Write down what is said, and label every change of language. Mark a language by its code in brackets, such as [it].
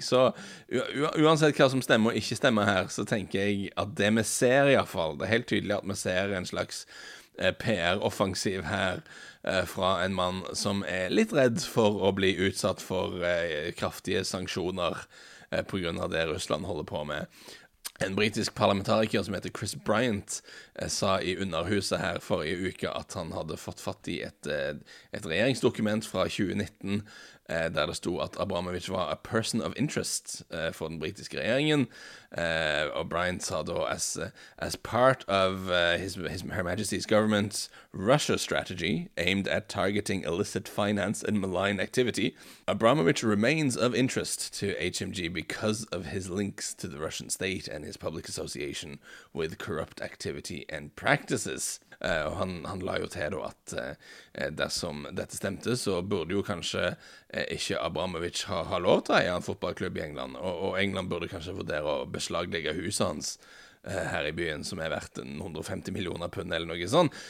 [no] Så uansett hva som stemmer og ikke stemmer her, så tenker jeg at det vi ser i hvert fall, det er helt tydelig at vi ser en slags PR-offensiv her fra en mann som er litt redd for å bli utsatt for kraftige sanksjoner på grunn av det Russland holder på med. En britisk parlamentariker som heter Chris Bryant sa i underhuset her forrige uke at han hadde fått fatt i et regjeringsdokument fra 2019 der det sto at Abramovic var [en] a person of interest [no] for den britiske regjeringen. Og Bryant sa da, [en] as part of his Her Majesty's government's Russia strategy aimed at targeting illicit finance and malign activity, Abramovic remains of interest to HMG because of his links to the Russian state and his public association with corrupt activity and practices. [no] Og han la jo til da at dersom dette stemte, så burde jo kanskje ikke Abramovic ha lov til å eie en fotballklubb i England, og England burde kanskje vurdere å beslaglegge huset hans her i byen, som er verdt 150 millioner pund eller noe sånt.